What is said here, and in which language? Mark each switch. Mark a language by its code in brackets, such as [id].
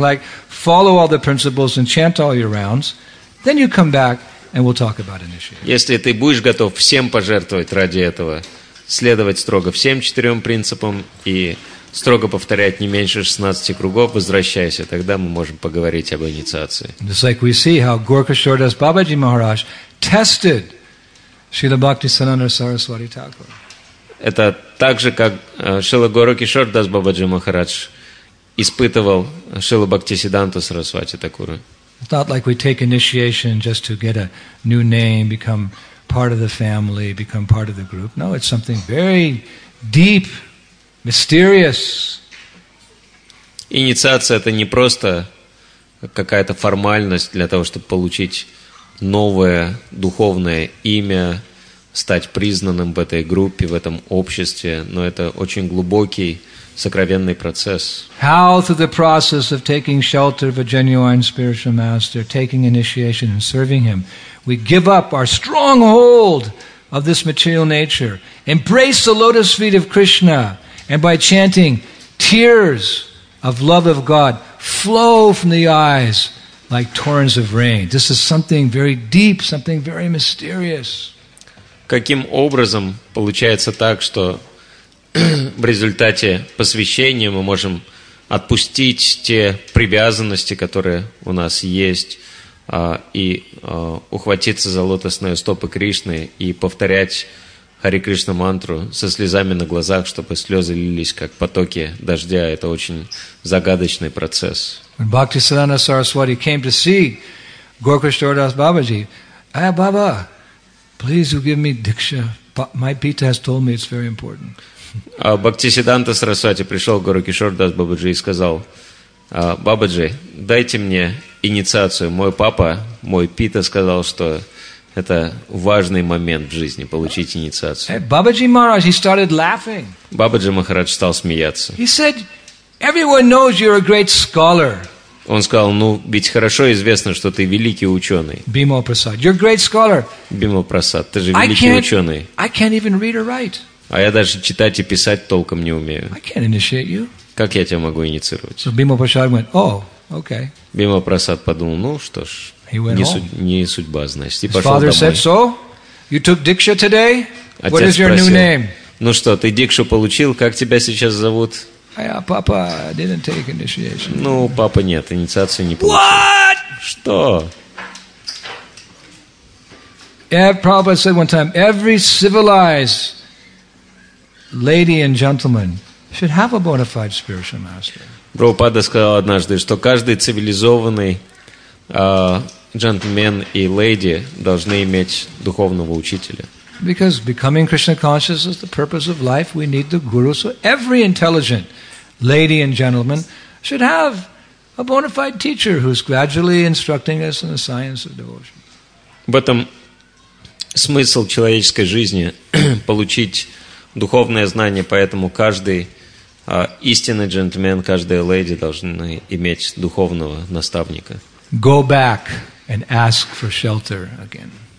[en] Like follow all the principles and chant all your rounds, then you come back and we'll talk about initiation. [ru] Если ты будешь готов всем пожертвовать ради этого, следовать строго всем четырем принципам и строго повторять не меньше 16 кругов, возвращайся, тогда мы можем поговорить об инициации. [en] Just like we see how Gaurakishore Das Babaji Maharaj tested Srila Bhakti Sananda Saraswati Thakur. [ru] Это так же, как Шрила Гаурикишор Дас Бабаджи Махарадж испытывал Шрилу Бхакти Сиддханту Сарасвати Такуру. [en] It's not like we take initiation just to get a new name, become part of the family, become part of the group. No, it's something very deep, mysterious. [ru] Инициация — это не просто какая-то формальность для того, чтобы получить новое духовное имя, стать признанным в этой группе, в этом обществе, но это очень глубокий, сокровенный процесс. [en] How through the process of taking shelter of a genuine spiritual master, taking initiation and serving him, we give up our stronghold of this material nature, embrace the lotus feet of Krishna, and by chanting, tears of love of God flow from the eyes like torrents of rain. This is something very deep, something very mysterious. [ru] Каким образом получается так, что в результате посвящения мы можем отпустить те привязанности, которые у нас есть, и ухватиться за лотосные стопы Кришны и повторять Харе Кришна мантру со слезами на глазах, чтобы слезы лились, как потоки дождя. Это очень загадочный процесс. [en] When Bhakti Sadhana Saraswati came to see Gaur Krishna Das Babaji, "Ah, Baba, please you give me diksha. My Pita has told me it's very important." [ru] А Бхактисиданта Сарасвати пришел к Гуру Кишор Дас Бабаджи и сказал: «Бабаджи, дайте мне инициацию. Мой папа, мой Пита сказал, что это важный момент в жизни, получить инициацию». [en] Бабаджи Махарадж, he started laughing. [ru] Бабаджи Махарадж стал смеяться. [en] He said, "Everyone knows you're a great scholar." [ru] Он сказал: «Ну, ведь хорошо известно, что ты великий ученый». [en] Бимал Прасад, you're a great scholar. [ru] Бимал Прасад, ты же великий ученый. [en] I can't even read or write. [ru] А я даже читать и писать толком не умею. [en] I can't initiate you. [ru] Как я тебя могу инициировать? [en] So Bhima Prasad went, oh, okay. [ru] Bhima Prasad подумал, ну что ж, не судьба, значит, и [en] His [ru] пошел [en] father [ru] домой. [en] Said, so? You took diksha today? What [ru] Отец [en] is your [ru] спросил, [en] new name? [ru] Ну что, ты дикшу получил, как тебя сейчас зовут? [en] Papa didn't take initiation. [ru] Ну, папа нет, инициацию не получил. [en] What? [ru] Что? [en] Prabhupada said one time, every civilized lady and gentleman should have a bona fide spiritual master. [ru] Прабхупада сказал однажды, что каждый цивилизованный джентльмен и леди должны иметь духовного учителя. [en] Because becoming Krishna conscious is the purpose of life, we need the guru. So every intelligent lady and gentleman should have a bona fide teacher who's gradually instructing us in the science of devotion. [ru] В этом смысл человеческой жизни получить духовное знание, поэтому каждый истинный джентльмен, каждая леди должны иметь духовного наставника. [en] Go back and ask for shelter again.